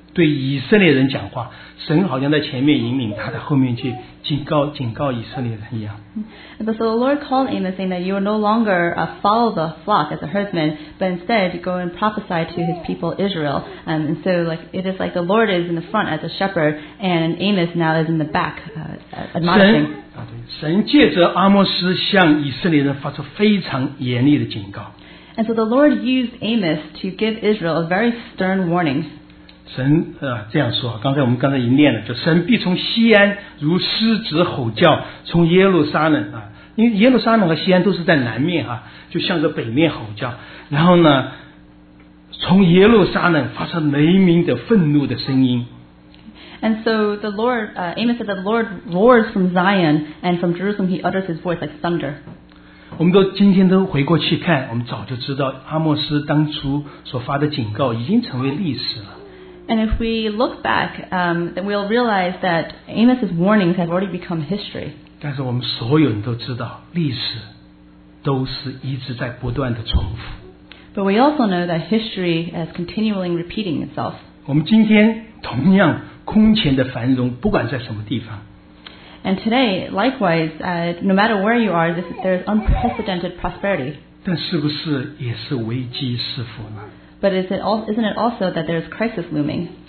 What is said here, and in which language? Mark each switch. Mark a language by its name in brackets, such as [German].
[Chinese] 对以色列人讲话，神好像在前面引领他，在后面去警告以色列人一样。 [English] But so the Lord called Amos, saying that you will no longer follow the flock as a herdsman, but instead go and prophesy to his people Israel. And so, like it is like the Lord is in the front as a shepherd, and Amos now is in the back, admonishing. [Chinese] 神借着阿摩斯向以色列人发出非常严厉的警告。 [English] And so the Lord used Amos to give Israel a very stern warning. [Chinese] 神这样说，我们刚才已经念了，就神必从西安如狮子吼叫，从耶路撒冷啊，因为耶路撒冷和西安都是在南面啊，就向着北面吼叫，然后呢，从耶路撒冷发出雷鸣的愤怒的声音。 [English] And so the Lord, Amos said that the Lord roars from Zion, and from Jerusalem he utters his voice like thunder. [Chinese] 我们都今天都回过去看，我们早就知道阿摩斯当初所发的警告已经成为历史了。 [English] And if we look back, then we'll realize that Amos's warnings have already become history. [Chinese] 但是我们所有人都知道，历史都是一直在不断的重复。 [English] But we also know that history is continually repeating itself. [Chinese] 我们今天同样。空前的繁荣，不管在什么地方。 [English] And today, likewise, no matter where you are, there is unprecedented prosperity. [Chinese] 但是不是也是危机四伏呢？ [English] But isn't it also that there is crisis looming?